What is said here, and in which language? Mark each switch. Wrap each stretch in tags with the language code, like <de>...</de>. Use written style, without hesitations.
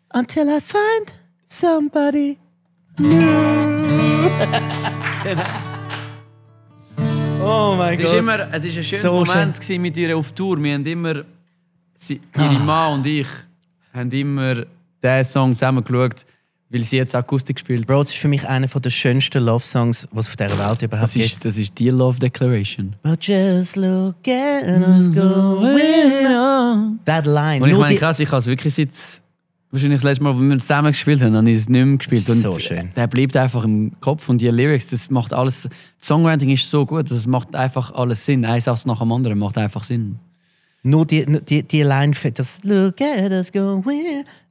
<en>Until I find somebody new.</en> <de>Oh mein Gott. Es war ein schönes so Moment schön. Mit ihr auf Tour. Wir haben immer ihre Mann und ich haben immer diesen Song zusammen geschaut, Weil sie jetzt Akustik spielt. Bro, das ist für mich einer der schönsten Love-Songs, was auf dieser Welt überhaupt gibt. Das ist die Love Declaration.</de> <en>But just look at us going on. That line.</en> <de>Und ich meine, krass, ich habe es wirklich seit wahrscheinlich das letzte Mal, wo wir zusammen gespielt haben, habe ich es nicht mehr gespielt. So und schön. Der bleibt einfach im Kopf und die Lyrics, das macht alles. Songwriting ist so gut, das macht einfach alles Sinn. Ein Satz nach dem anderen macht einfach Sinn. Nur die Line für das</de> <en>Look at us going on.</en>